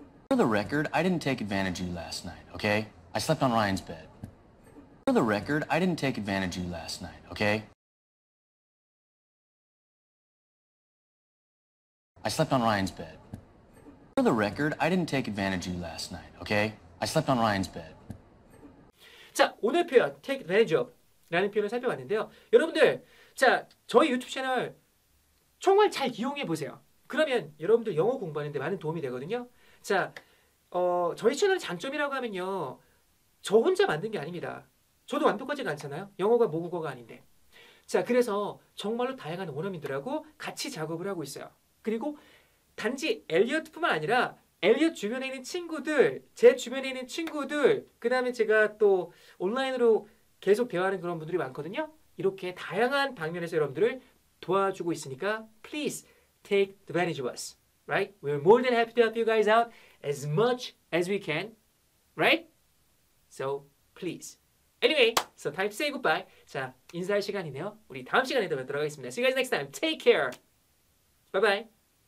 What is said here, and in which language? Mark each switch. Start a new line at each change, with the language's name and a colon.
English: For the record, I didn't take advantage of you last night, okay? I slept on Ryan's bed. For the record, I didn't take advantage of you last night, okay? I slept on Ryan's bed. For the record, I didn't take advantage of you last night, okay? I slept on Ryan's bed.
Korean: 자, 오늘 표현 take advantage of 라는 표현을 살펴봤는데요. 여러분들, 자, 저희 유튜브 채널 정말 잘 이용해 보세요. 그러면 여러분들 영어 공부하는데 많은 도움이 되거든요. 자, 저희 채널의 장점이라고 하면요. 저 혼자 만든 게 아닙니다. 저도 완벽하지가 않잖아요. 영어가 모국어가 아닌데. 자, 그래서 정말로 다양한 원어민들하고 같이 작업을 하고 있어요. 그리고 단지 엘리엇뿐만 아니라 엘리엇 주변에 있는 친구들, 제 주변에 있는 친구들, 그 다음에 제가 또 온라인으로 계속 대화하는 그런 분들이 많거든요. 이렇게 다양한 방면에서 여러분들을 도와주고 있으니까
English: please take advantage of us, right? We're more than happy to help you guys out as much as we can, right? So please. Anyway, so time to say goodbye.
Korean: 자, 인사할 시간이네요. 우리 다음 시간에 또 뵙도록 하겠습니다.
English: See you guys next time. Take care. Bye-bye.